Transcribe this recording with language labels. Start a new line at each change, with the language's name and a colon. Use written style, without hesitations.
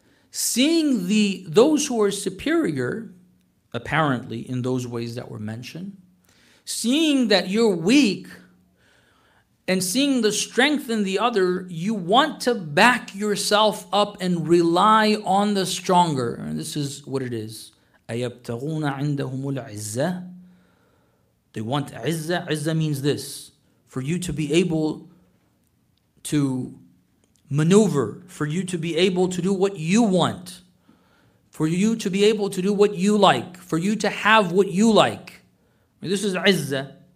English: Seeing those who are superior, apparently, in those ways that were mentioned. Seeing that you're weak and seeing the strength in the other, you want to back yourself up and rely on the stronger. And this is what it is.
Arabic: أَيَبْتَغُونَ عِنْدَهُمُ الْعِزَّةِ
English: They want
Arabic: عِزَّة.
English: عِزَّة means this. For you to be able to maneuver. For you to be able to do what you want. For you to be able to do what you like. For you to have what you like. This is izzah.